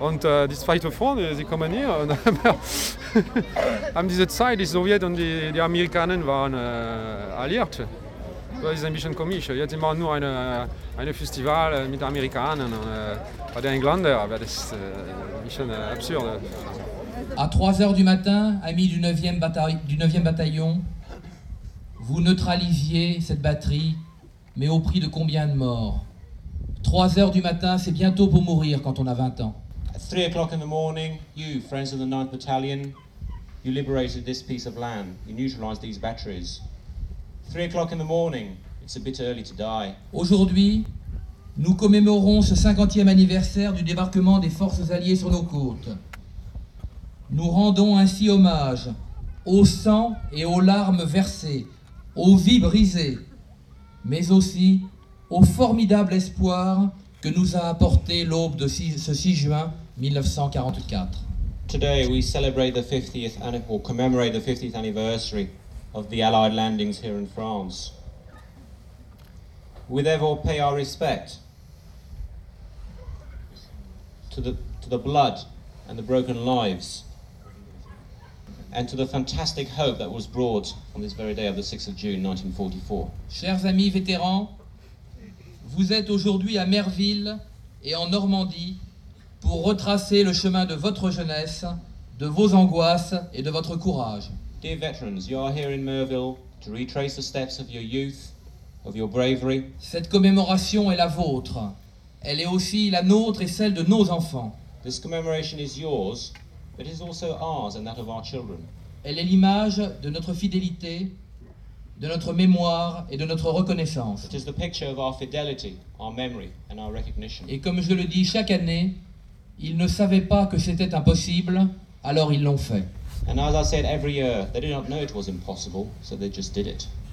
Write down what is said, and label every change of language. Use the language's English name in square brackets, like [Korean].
[German] Und die zweite Front, sie kommen hier. Und haben diese Zeit, die Sowjet und die Amerikaner waren alliiert. Das ist ein bisschen komisch. Jetzt immer nur ein Festival mit Amerikanern und den Engländern. Aber das ist ein bisschen absurd. [French] À 3h du matin, amis du 9e Bataillon, vous neutralisiez cette batterie, mais au prix de combien de morts? 3 heures du matin, c'est bientôt pour mourir quand on a 20 ans. [English] At 3 o'clock in the morning, you, friends of the 9th Battalion, you liberated this piece of land. You neutralized these batteries. 3 o'clock in the morning, it's a bit early to die. [French] Aujourd'hui, nous commémorons ce 50e anniversaire du débarquement des forces alliées sur nos côtes. Nous rendons ainsi hommage au sang et aux larmes versées, aux vies brisées, mais aussi au formidable espoir que nous a apporté l'aube de ce 6 juin 1944. [English] Today we celebrate the 50th anniversary, commemorate the 50th anniversary of the Allied landings here in France. We therefore pay our respect to the blood and the broken lives and to the fantastic hope that was brought on this very day of the 6th of June 1944. [French] Chers amis vétérans, vous êtes aujourd'hui à Merville et en Normandie pour retracer le chemin de votre jeunesse, de vos angoisses et de votre courage. [English] Dear veterans, you are here in Merville to retrace the steps of your youth, of your bravery. [French] Cette commémoration est la vôtre. Elle est aussi la nôtre et celle de nos enfants. [English] This commemoration is yours, but it is also ours and that of our children. [French] Elle est l'image de notre fidélité, de notre mémoire et de notre reconnaissance. [English] It is the picture of our fidelity, our memory and our recognition. [French] Et comme je le dis chaque année, ils ne savaient pas que c'était impossible, alors ils l'ont fait. [English] And as I said every year, they did not know it was impossible, so they just did it.